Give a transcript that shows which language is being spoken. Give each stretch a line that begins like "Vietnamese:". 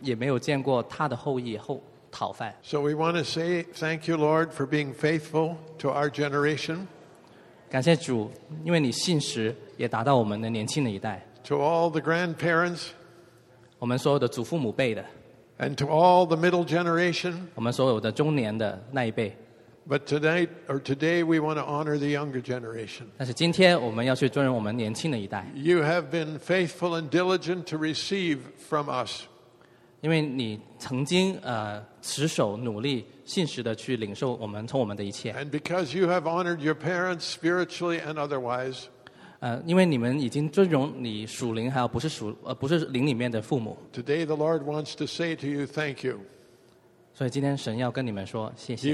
Chinese: 我从前年幼，现在年老，但是我从没见过一人背弃，也没有见过他的后裔后讨饭。
English: So we want to say thank you, Lord, for being faithful to our generation.
Chinese: 感谢主，因为你信实，也达到我们的年轻的一代。
English: To all the grandparents.
Chinese: 我们所有的祖父母辈的。
English: And to all the middle generation.
Chinese: 我们所有的中年的那一辈。
English: But tonight or today, we want to honor the younger generation.
Chinese: 但是今天我们要去尊荣我们年轻的一代。
English: You have been faithful and diligent to receive from us.
Chinese: 因为你曾经持守努力信实的去领受我们从我们的一切。
English: And because you have honored your parents spiritually and otherwise.
Chinese: 因为你们已经尊荣你属灵还有不是灵里面的父母。
English: Today, the Lord wants to say to you, thank you.
Chinese: 所以今天神要跟你们说谢谢。